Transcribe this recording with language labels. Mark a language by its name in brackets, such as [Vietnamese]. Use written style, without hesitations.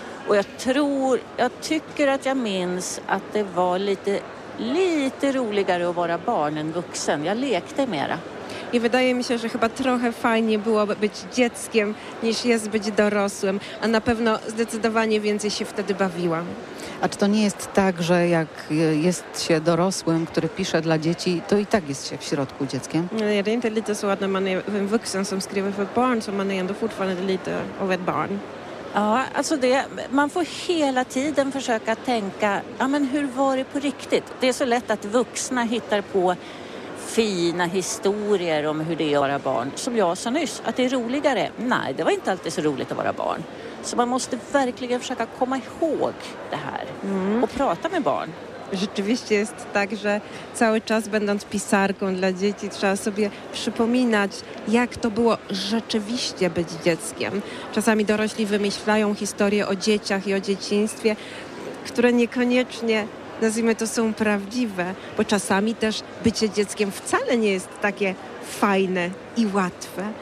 [Swedish] Och jag tycker att jag minns att det var lite roligare att vara barn än vuxen. Jag lekte mera. [Polish] I wydaje mi się, że chyba trochę fajnie byłoby być dzieckiem niż jest być dorosłym. A na pewno zdecydowanie więcej się wtedy bawiłam. A czy to nie jest tak, że jak jest się dorosłym, który pisze dla dzieci, to i tak jest się w środku dzieckiem? [Swedish] Nej, det är inte lite så att när man är en vuxen som skriver för barn så man är ändå fortfarande lite av ett barn. Ja, alltså det, man får hela tiden försöka tänka, ja men hur var det på riktigt? Det är så lätt att vuxna hittar på fina historier om hur det är att vara barn. Som jag sa nyss, att det är roligare. Nej, det var inte alltid så roligt att vara barn. Så man måste verkligen försöka komma ihåg det här och prata med barn. [Polish] Rzeczywiście jest tak, że cały czas będąc pisarką dla dzieci trzeba sobie przypominać, jak to było rzeczywiście być dzieckiem. Czasami dorośli wymyślają historie o dzieciach i o dzieciństwie, które niekoniecznie, nazwijmy to, są prawdziwe, bo czasami też bycie dzieckiem wcale nie jest takie fajne i łatwe.